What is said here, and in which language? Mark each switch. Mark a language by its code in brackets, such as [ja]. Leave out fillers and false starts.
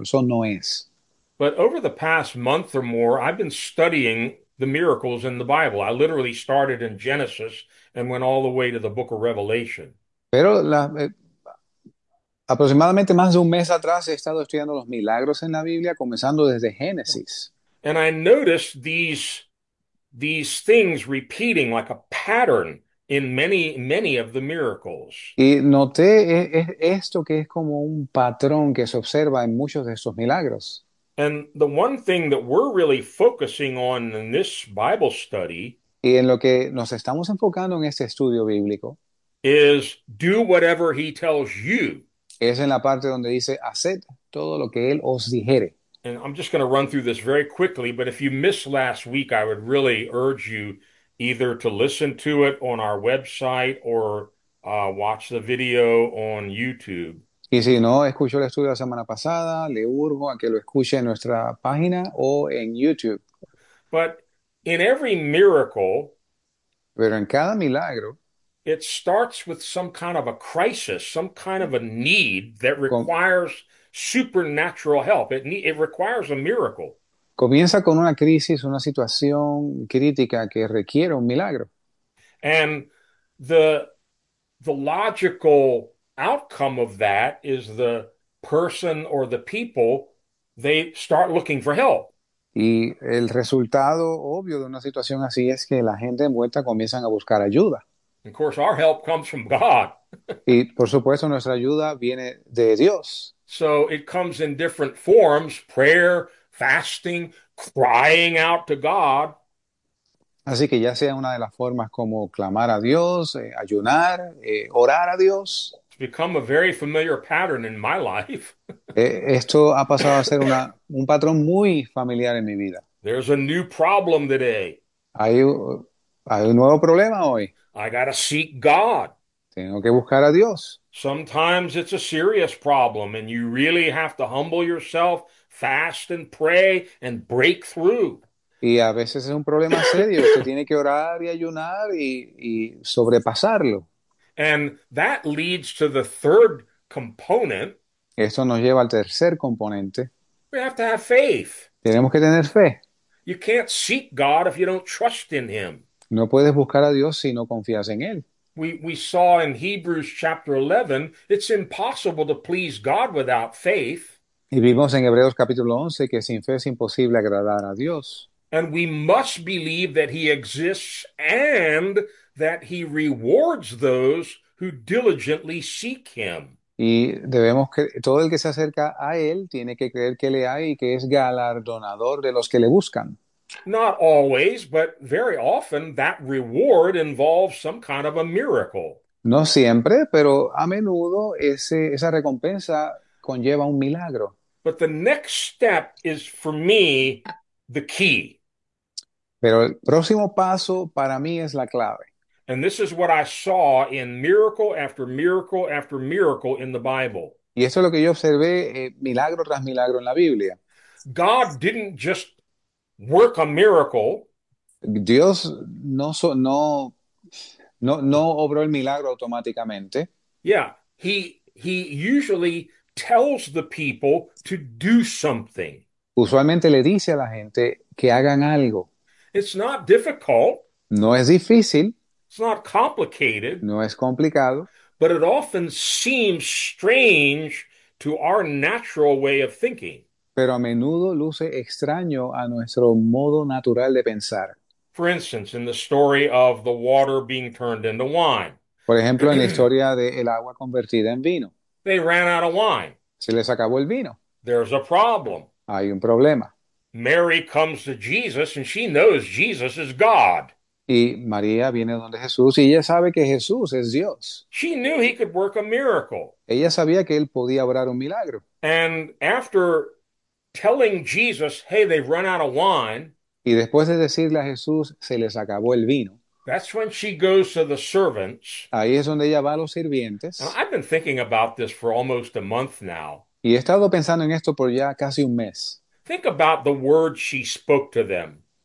[es] Eso no es. [en] But over the past month or more, I've been studying the miracles in the Bible. I literally started in Genesis and went all the way to the book of Revelation. [es] Pero aproximadamente más de un mes atrás he estado estudiando los milagros en la Biblia, comenzando desde Génesis. [en] And I noticed these things repeating like a pattern in many of the miracles. [es] Y noté esto que es como un patrón que se observa en muchos de estos milagros. [en] And the one thing that we're really focusing on in this Bible study [es] Y en lo que nos estamos enfocando en este estudio bíblico [en] is do whatever he tells you. [es] es en la parte donde dice, haced todo lo que él os dijere. [en] And I'm just going to run through this very quickly, but if you missed last week, I would really urge you either to listen to it on our website or watch the video on YouTube. [es] Y si no escuchó el estudio la semana pasada, le urgo a que lo escuche en nuestra página o en YouTube. [en] But in every miracle, [es] Pero en cada milagro, [en] it starts with some kind of a crisis, some kind of a need that requires supernatural help. It requires a miracle. [es] comienza con una crisis, una situación crítica que requiere un milagro. [en] And the logical outcome of that is the person or the people, they start looking for help. [es] Y el resultado obvio de una situación así es que la gente envuelta comienzan a buscar ayuda. [en] Of course, our help comes from God. [es] Y por supuesto, nuestra ayuda viene de Dios. [en] So it comes in different forms: prayer, fasting, crying out to God. [es] Así que ya sea una de las formas como clamar a Dios, ayunar, orar a Dios. [en] It's become a very familiar pattern in my life. [es] Esto ha pasado a ser un patrón muy familiar en mi vida. [en] There's a new problem today. [es] Hay un nuevo problema hoy. [en] I gotta seek God. [es] Tengo que buscar a Dios. [en] Sometimes it's a serious problem, and you really have to humble yourself, fast and pray, and break through. [es] Y a veces es un problema serio. Usted tiene que orar y ayunar y sobrepasarlo. [en] And that leads to the third component. [es] Eso nos lleva al tercer componente. [en] We have to have faith. [es] Tenemos que tener fe. [en] You can't seek God if you don't trust in Him. [es] No puedes buscar a Dios si no confías en Él. [en] We saw in Hebrews chapter 11, it's impossible to please God without faith. [es] Y vimos en Hebreos capítulo 11 que sin fe es imposible agradar a Dios. [en] And we must believe that He exists and that He rewards those who diligently seek Him. [es] Y debemos que todo el que se acerca a él tiene que creer que le hay y que es galardonador de los que le buscan. [en] Not always, but very often that reward involves some kind of a miracle. [es] No siempre, pero a menudo esa recompensa conlleva un milagro. [en] But the next step is for me the key. [es] Pero el próximo paso para mí es la clave. [en] And this is what I saw in miracle after miracle after miracle in the Bible. [es] Y eso es lo que yo observé, milagro tras milagro en la Biblia. [en] God didn't just work a miracle. [es] Dios no obró el milagro automáticamente. [en] Yeah, he usually tells the people to do something. [es] Usualmente le dice a la gente que hagan algo. [en] It's not difficult. [es] No es difícil, [en] It's not complicated. [es] no es complicado. [en] But it often seems strange to our natural way of thinking. [es] pero a menudo luce extraño a nuestro modo natural de pensar. [en] For instance, in the story of the water being turned into wine. [es] Por ejemplo, en la historia del agua convertida en vino. [en] They ran out of wine. [es] Se les acabó el vino. [en] There's a problem. [es] Hay un problema. [en] Mary comes to Jesus and she knows Jesus is God. [es] Y María viene donde Jesús y ella sabe que Jesús es Dios. [en] She knew he could work a miracle. [es] Ella sabía que él podía obrar un milagro. [en] And after telling Jesus, hey, they've run out of wine. [es] Y después de decirle a Jesús, se les acabó el vino. [en] That's when she goes to the servants. [es] Ahí es donde ella va a los sirvientes. [en] And I've been thinking about this for almost a month now. [es] Y he estado pensando en esto por ya casi un mes. [en] Think about the words she spoke to them.